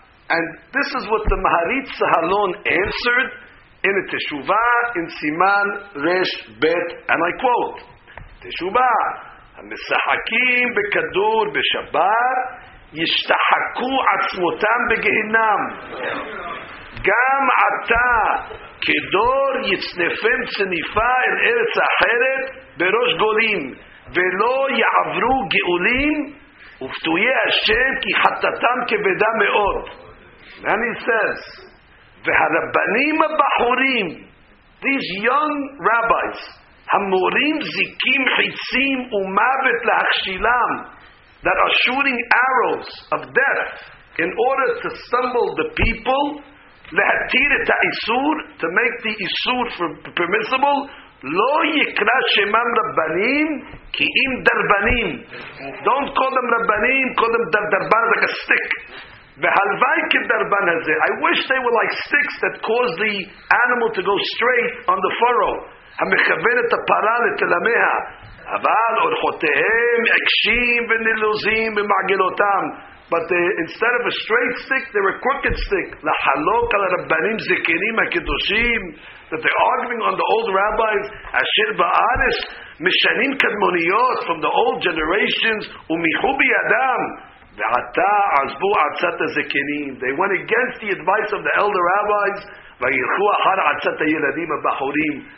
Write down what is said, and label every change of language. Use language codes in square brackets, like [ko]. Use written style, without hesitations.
[en] And this is what the Maharitz Sahalon answered in a teshuvah in Siman Resh Bet, and I quote, teshuvah, [he] המשחקים בכדור בשבת ישתחקו עצמותם בגהנם. גם אתה כדור יצנפם צניפה אל ארץ אחרת בראש גולים ולא יעברו גאולים ופתויי השם כי חטאתם כבדה מאוד. [en] And he says, [he] והרבנים הבחורים, [en] these young rabbis, [he] המורים זיקים חיצים ומוות להכשילם, [en] that are shooting arrows of death in order to stumble the people, [he] להתיר את האיסור, [en] to make the איסור permissible, [he] לא יקרא שמם רבנים כי אם דרבנים. [en] Don't call them רבנים, call them דרבן, like a stick. [he] והלוואי כדרבן הזה, [en] I wish they were like sticks that cause the animal to go straight on the furrow, [he] המכוון את הפרה לתלמיה. אבל אורחותיהם עקשים ונלוזים במעגלותם. [en] But they, instead of a straight stick, they're a crooked stick. [he] לחלוק על הרבנים זקנים הקדושים, [en] that they're arguing on the old rabbis, [he] אשר בארץ משנים קדמוניות [en] from the old generations, [he] ומיחו בידם. ועתה עזבו עצת הזקנים. [en] They went against the advice of the elder rabbis, [he] וירחו אחר עצת הילדים הבחורים.